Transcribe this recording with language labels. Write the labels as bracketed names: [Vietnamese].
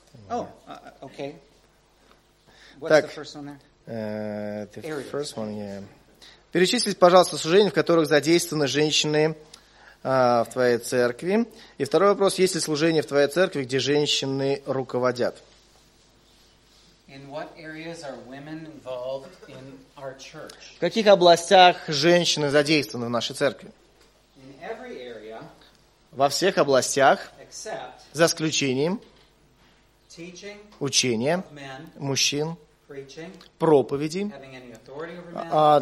[English] Oh, okay. What's [Russian] так, [English] the first one there? The Areas. First one, yeah. [Russian] Перечислите, пожалуйста, служения, в которых задействованы женщины в твоей церкви. И второй вопрос, есть ли служение в твоей церкви, где женщины руководят? [English] In what areas are women involved in our church? [Russian] В каких областях женщины задействованы в нашей церкви? [English] In every area, [Russian] во всех областях, [English] except, [Russian] за исключением [English] teaching, [Russian] учения [English] men, [Russian] мужчин, [English] preaching, [Russian] проповеди, [English] having any authority over men,